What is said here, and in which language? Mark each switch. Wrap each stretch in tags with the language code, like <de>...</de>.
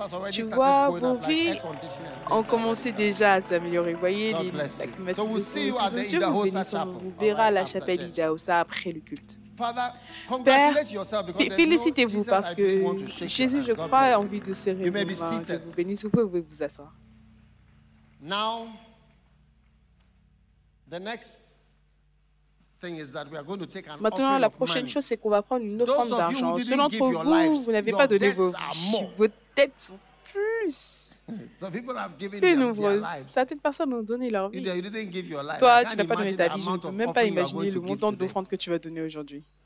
<fr>Tu vois, vos vies ont commencé déjà à s'améliorer. Vous voyez, la climatisation. Dieu vous bénisse. On vous verra à la chapelle Idahosa après le culte. Père, félicitez-vous parce que Jésus, je crois, a envie de serrer vos mains. Dieu vous bénisse. Vous pouvez vous asseoir.</fr> <en>Now, the next thing is that we are going to take an</en> <fr>maintenant, la prochaine chose, c'est qu'on va prendre une offrande d'argent. Selon d'entre vous, vous n'avez pas donné vos vies. Vos dettes sont plus. Plus nombreuses. Certaines personnes ont donné leur vie. Toi, tu n'as pas donné ta vie. Je ne peux même pas imaginer le montant d'offrandes que tu vas donner aujourd'hui.</fr>